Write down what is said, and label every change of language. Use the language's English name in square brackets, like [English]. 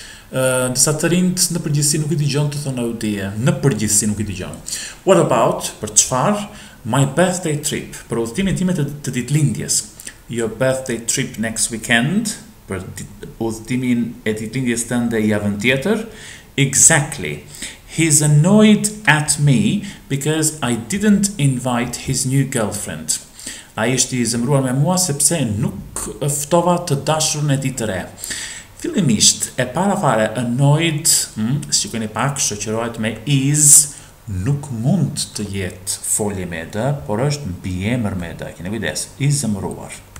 [Albanian] Ndërsa të rinjt në përgjithësi nuk I dëgjojnë të thonë [English] oh dear, [Albanian] në përgjithësi nuk I dëgjojnë. [English] What about, [Albanian] për çfarë? [English] My birthday trip, [Albanian] për udhëtimin tim të ditëlindjes. [English] Your birthday trip next weekend, [Albanian] për udhëtimin e ditëlindjes tënde javën tjetër. [English] Exactly. He's annoyed at me because I didn't invite his new girlfriend. [Albanian] A ishte I zemruar me mua sepse nuk ftova të dashurën e tij të re. Fillimisht, e para fare, annoyed, shikoni pak, shoqërohet me is, nuk mund të jetë folje me dë, por është mbiemër me dë, keni kujdes, I zemruar.